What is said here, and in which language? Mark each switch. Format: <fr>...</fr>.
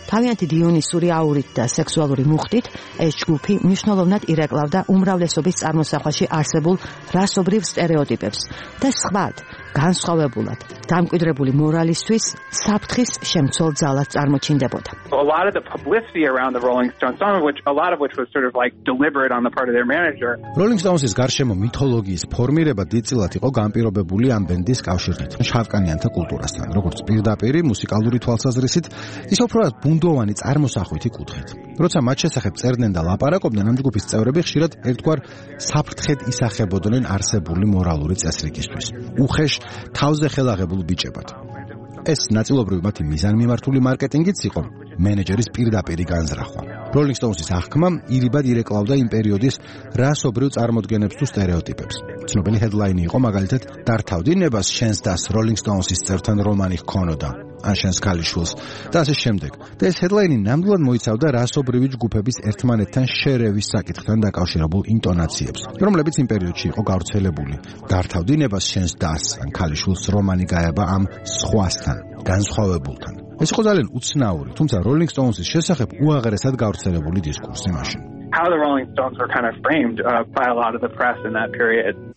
<ka>თავიანთი დიონისური აურით და სექსუალური მუხტით ეს ჯგუფი მნიშვნელოვნად ირეკლავდა უმრავლესობის წარმოსახვაში არსებულ რასობრივ სტერეოტიპებს და სხვათ, განსხვავებულად, დამკვიდრებული მორალისთვის საფრთხის შემცველ ძალას წარმოჩინდებოდა.</ka> <en>A lot of the publicity around the Rolling Stones, a lot of which was sort of like deliberate on the part of their manager.</en> <ka>Rolling Stones-ის გარშემო მითოლოგიის ფორმირება დიდწილად იყო განპირობებული ამ ბენდის კავშირით შავკანიანთა კულტურასთან, როგორც პირდაპირი მუსიკალური თვალსაზრისით, ისე უბრალოდ ბუნდოვანი წარმოსახვითი კუთხით. როცა მათ შესახებ წერდნენ და ლაპარაკობდნენ, ამ ჯგუფის წევრები ხშირად ერთგვარ საფრთხედ ისახებოდნენ არსებული მორალური წესრიგისთვის, უხეშ თავზე ხელაღებულ ბიჭებად. ეს ნაწილობრივ მათი მიზანმიმართული მარკეტინგიც იყო, მენეჯერის პირდაპირი განზრახვა. Rolling Stones-ის აღქმა ირიბად ირეკლავდა იმ პერიოდის რასობრივ წარმოდგენებს თუ სტერეოტიპებს. ცნობილი ჰედლაინი იყო მაგალითად: დართავდი ნებას შენს დას Rolling Stones-ის წევრთან რომანი ჰქონოდა, ან შენს ქალიშვილს და ასე შემდეგ. და ეს ჰედლაინი ნამდვილად მოიცავდა რასობრივი ჯგუფების ერთმანეთთან შერევის საკითხთან დაკავშირებულ ინტონაციებს, რომლებიც იმ პერიოდში იყო გავრცელებული. დართავდი ნებას შენს დას ან ქალიშვილს რომანი გაება ამ სხვასთან, განსხვავებულთან. ეს იყო ძალიან უცნაური, თუმცა Rolling Stones-ის შესახებ უაღრესად გავრცელებული დისკურსი მაშინ.</ka> <en>How the Rolling Stones were kind of framed by a lot of the press in that period.</en>